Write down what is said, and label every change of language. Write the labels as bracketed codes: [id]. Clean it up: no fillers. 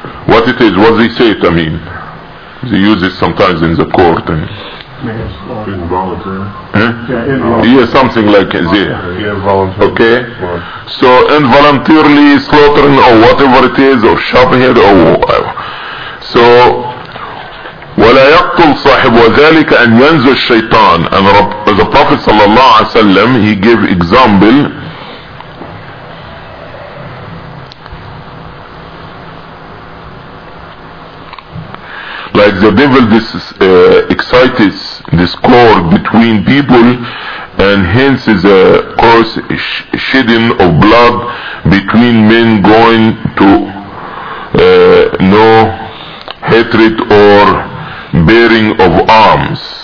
[en] What it is, what they say it, I mean. They use it sometimes in the court. And involuntary. Yeah, something like that. Yeah, okay. So involuntarily slaughtering or whatever it is, or shoving it or whatever. [ar] So ولا يقتل صاحب وذلك أن ينزل الشيطان. [en] And the Prophet صلى الله عليه وسلم, he gave example. Like the devil, this excites discord between people, and hence is a cause shedding of blood between men, going to no hatred or bearing of arms.